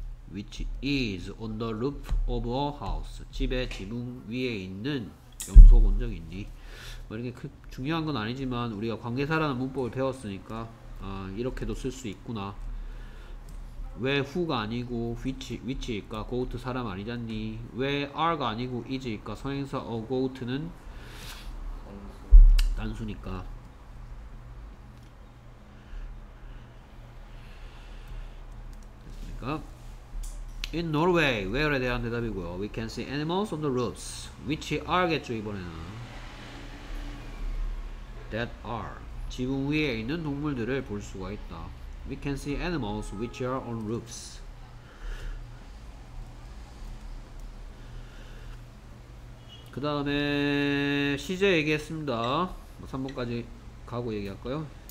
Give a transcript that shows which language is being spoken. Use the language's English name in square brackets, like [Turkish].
[English] which is on the roof of a house. [Korean] 집의 지붕 위에 있는 염소 본 적 있니? 뭐 이렇게 그 중요한 건 아니지만 우리가 관계사라는 문법을 배웠으니까 아, 이렇게도 쓸 수 있구나. 왜 who가 아니고 which일까? go to 사람 아니잖니? 왜 are가 아니고 is일까? 선행사 a go to는 단수니까. 됐습니까? [English] In Norway, [Korean] where에 대한 대답이고요. [English] We can see animals on the roofs. Which are겠죠, [Korean] 이번에는. [English] That are. [Korean] 지붕 위에 있는 동물들을 볼 수가 있다. [English] We can see animals which are on roofs. [Korean] 그 다음에 시제 얘기했습니다. 3번까지 가고 얘기할까요?